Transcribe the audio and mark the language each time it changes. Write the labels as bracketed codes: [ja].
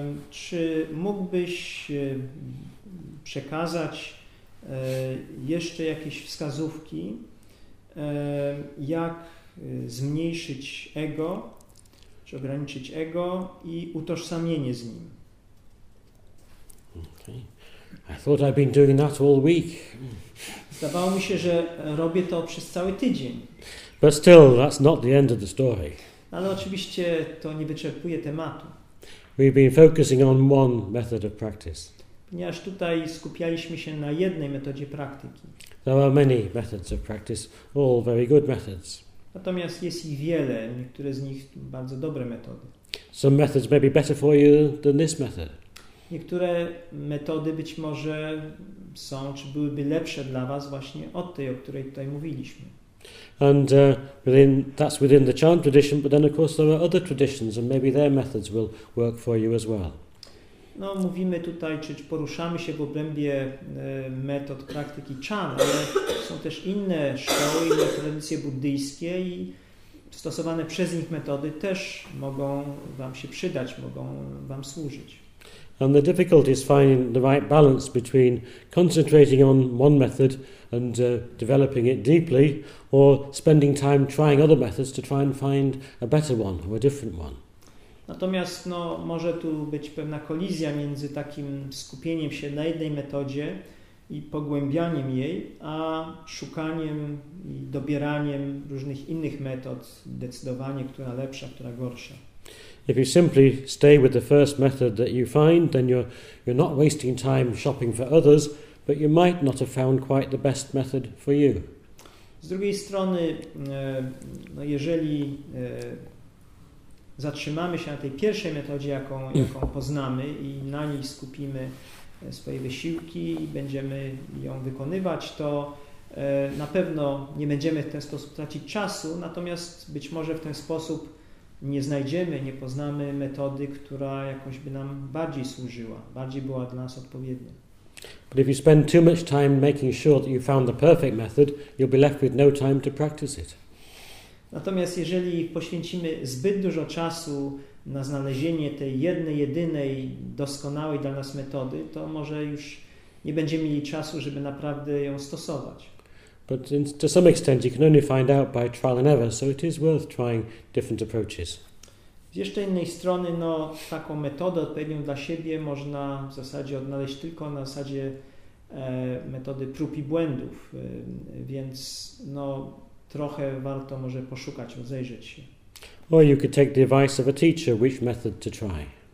[pl] Czy mógłbyś przekazać jeszcze jakieś wskazówki? Jak zmniejszyć ego, czy ograniczyć ego i utożsamienie z nim. [en] Okay. I thought I'd been doing that all week. [pl] Zdawało mi się, że robię to przez cały tydzień. [en] But still, that's not the end of the story. [pl] Ale oczywiście to nie wyczerpuje tematu. [en] We've been focusing on one method of practice. [pl] Ponieważ tutaj skupialiśmy się na jednej metodzie praktyki. [en] There are many methods of practice, all very good methods. [pl] Natomiast jest ich wiele, niektóre z nich bardzo dobre metody. [en] Some methods may be better for you than this method. [pl] Niektóre metody być może są, czy byłyby lepsze dla was właśnie od tej, o której tutaj mówiliśmy. [en] And that's within the Chan tradition, but then of course there are other traditions and maybe their methods will work for you as well. [pl] No, mówimy tutaj, czy poruszamy się w obrębie metod praktyki Chan, ale są też inne szkoły, inne tradycje buddyjskie i stosowane przez nich metody też mogą wam się przydać, mogą wam służyć. [en] And the difficulty is finding the right balance between concentrating on one method and developing it deeply, or spending time trying other methods to try and find a better one or a different one. [pl] Natomiast no, może tu być pewna kolizja między takim skupieniem się na jednej metodzie i pogłębianiem jej, a szukaniem i dobieraniem różnych innych metod, decydowanie, która lepsza, która gorsza. [en] If you simply stay with the first method that you find, then you're not wasting time shopping for others, but you might not have found quite the best method for you. [pl] Z drugiej strony, no, jeżeli zatrzymamy się na tej pierwszej metodzie, jaką poznamy i na niej skupimy swoje wysiłki i będziemy ją wykonywać, to na pewno nie będziemy w ten sposób tracić czasu, natomiast być może w ten sposób nie znajdziemy, nie poznamy metody, która jakoś by nam bardziej służyła, bardziej była dla nas odpowiednia. [en] But if you spend too much time making sure that you found the perfect method, you'll be left with no time to practice it. [pl] Natomiast jeżeli poświęcimy zbyt dużo czasu na znalezienie tej jednej, jedynej, doskonałej dla nas metody, to może już nie będziemy mieli czasu, żeby naprawdę ją stosować. [en] But to some extent you can only find out by trial and error, so it is worth trying different approaches. [pl] Z jeszcze innej strony, no, taką metodę odpowiednią dla siebie można w zasadzie odnaleźć tylko na zasadzie metody prób i błędów, więc no, trochę warto może poszukać, rozejrzeć się. [en] Or you could take the advice of a teacher, which method to try.